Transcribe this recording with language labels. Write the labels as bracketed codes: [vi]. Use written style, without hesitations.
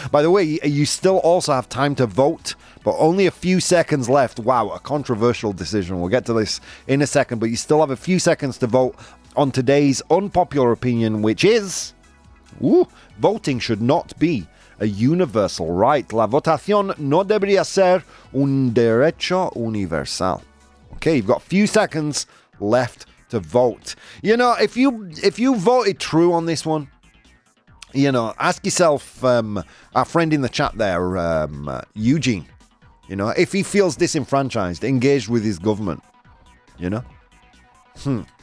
[en] By the way, you still also have time to vote, but only a few seconds left. Wow, a controversial decision. We'll get to this in a second, but you still have a few seconds to vote on today's unpopular opinion, which is, voting should not be a universal right. [es] La votación no debería ser un derecho universal. [en] Okay, you've got a few seconds left to vote. You know, if you voted true on this one, you know, ask yourself, our friend in the chat there, Eugene, you know, if he feels disenfranchised, engaged with his government, you know?